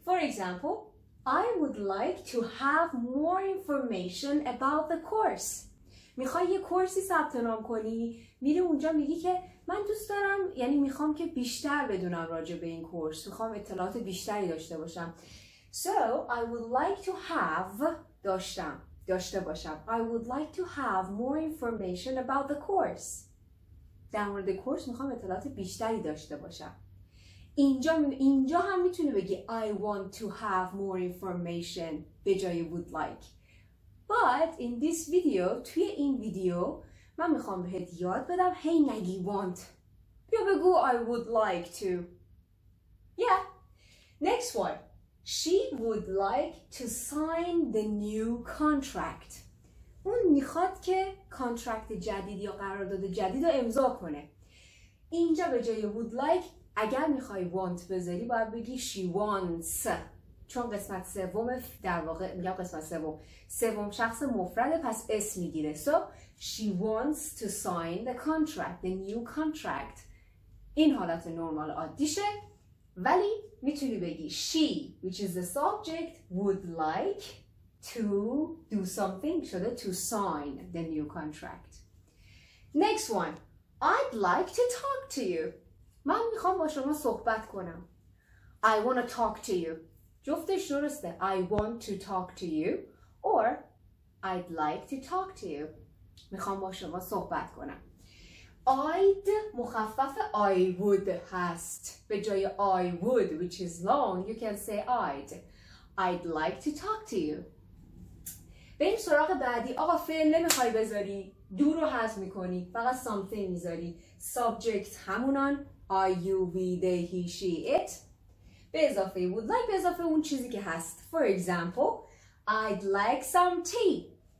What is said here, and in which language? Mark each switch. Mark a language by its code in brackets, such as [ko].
[en] For example, I would like to have more information about the course. [fa] میخوای یه کورسی ثبت نام کنی، میری اونجا میگی که من دوست دارم، یعنی میخوام که بیشتر بدونم راجع به این کورس، میخوام اطلاعات بیشتری داشته باشم. [en] So I would like to have [fa] داشته باشم. [en] I would like to have more information about the course. [fa] در مورد کورس میخوام اطلاعات بیشتری داشته باشم. اینجا هم میتونی بگی [en] I want to have more information [fa] به جای [en] would like. But in this video، [fa] توی این ویدیو من میخوام بهت یاد بدم هی نگی want، بیا بگو [en] I would like to. Yeah. Next one، she would like to sign the new contract. [fa] اون میخواد که کانترکت جدید یا قرارداد جدید رو امضا کنه. اینجا به جای would like اگر میخوای want بذاری باید بگی [en] she wants، [fa] چون قسمت سوم در واقع میگم قسمت سوم، سوم شخص مفرده پس اس میگیره. [en] So she wants to sign the contract, the new contract. [fa] این حالت نرمال عادیشه، ولی میتونی بگی [en] she which is the subject would like to do something [fa] شده [en] to sign the new contract. Next one، I'd like to talk to you. [fa] من میخوام با شما صحبت کنم. [en] I want to talk to you. [fa] جفتش درسته، [en] I want to talk to you or I'd like to talk to you، [fa] میخوام با شما صحبت کنم. [en] I'd [fa] مخفف [en] I would [fa] هست، به جای [en] I would which is long you can say I'd like to talk to you. [fa] بریم سراغ بعدی. آقا فعل نمیخوای بذاری، do رو حذف میکنی، فقط something میذاری. Subject همونان [en] I, you, we, they, he, she, it، [fa] به اضافه [en] would like [fa] به اضافه اون چیزی که هست. [en] For example I'd like some tea.